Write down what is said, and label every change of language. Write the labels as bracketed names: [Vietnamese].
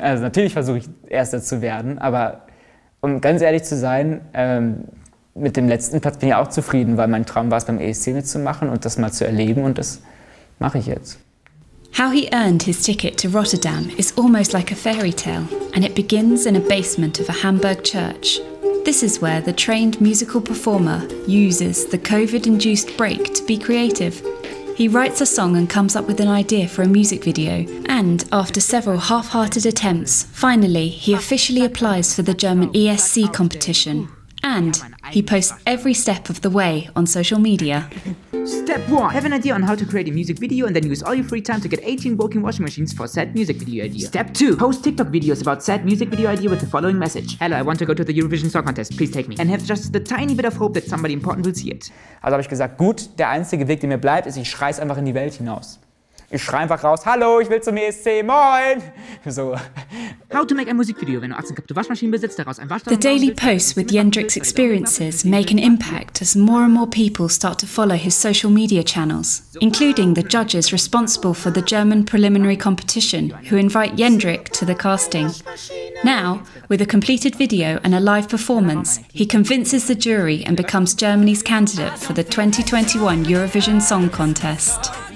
[German] Also natürlich versuche ich Erster zu werden, aber um ganz ehrlich zu sein, mit dem letzten Platz bin ich auch zufrieden, weil mein Traum war es, beim ESC mitzumachen und das mal zu erleben und das mache ich jetzt. [English] How he earned his ticket to Rotterdam is almost like a fairy tale and it begins in a basement of a Hamburg church. This is where the trained musical performer uses the COVID-induced break to be creative. He writes a song and comes up with an idea for a music video. And after several half-hearted attempts, finally, he officially applies for the German ESC competition. And he posts every step of the way on social media. Step one, have an idea on how to create a music video and then use all your free time to get 18 working washing machines for said music video idea. Step two, post TikTok videos about said music video idea with the following message. Hello, I want to go to the Eurovision Song Contest, please take me. And have just the tiny bit of hope that somebody important will see it. [German] Also habe ich gesagt, gut, der einzige Weg, der mir bleibt, ist, ich schreie es einfach in die Welt hinaus. Ich schreie einfach raus, hallo, ich will zum ESC, moin! So. [English] How to make a music video, [German] wenn du 18 kaputte Waschmaschinen besitzt, daraus ein Waschdarm... [English] The daily posts with Jendrik's experiences make an impact as more and more people start to follow his social media channels, including the judges responsible for the German preliminary competition, who invite Jendrik to the casting. Now, with a completed video and a live performance, he convinces the jury and becomes Germany's candidate for the 2021 Eurovision Song Contest.